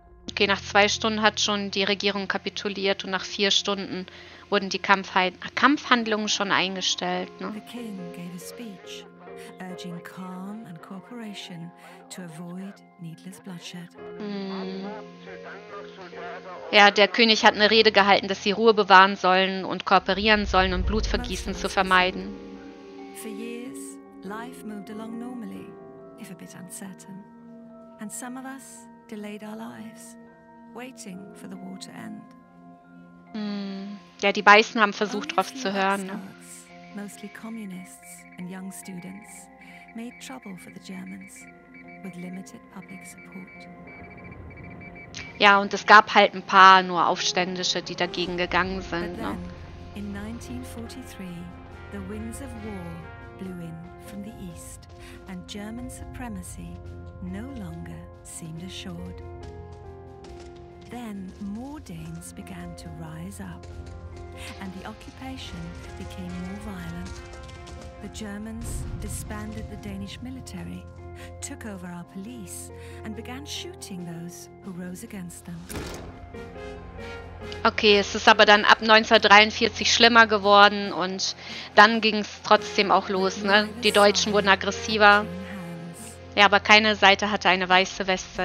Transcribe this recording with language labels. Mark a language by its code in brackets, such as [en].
[de] Okay, nach 2 Stunden hat schon die Regierung kapituliert und nach 4 Stunden wurden die Kampfhandlungen schon eingestellt. Ne? [en] The king gave a speech, urging calm and cooperation to avoid needless bloodshed. [de] Ja, der König hat eine Rede gehalten, dass sie Ruhe bewahren sollen und kooperieren sollen, um Blutvergießen zu vermeiden. [en] For years, life moved along normally, if a bit uncertain. And some of us delayed our lives, waiting for the war to end. [de] Ja, die Weißen haben versucht, drauf zu hören. [en] Mostly communists and young students made trouble for the Germans with limited public support. [de] Ja, und es gab halt ein paar nur Aufständische, die dagegen gegangen sind. [en] But then, ne? In 1943, the winds of war blew in from the east and German supremacy no longer seemed assured. Then more Danes began to rise up. And the occupation became more violent. The Germans disbanded the Danish military, took over our police, and began shooting those who rose against them. [de] Okay, es ist aber dann ab 1943 schlimmer geworden und dann ging es trotzdem auch los, ne? Die Deutschen wurden aggressiver. Ja, aber keine Seite hatte eine weiße Weste.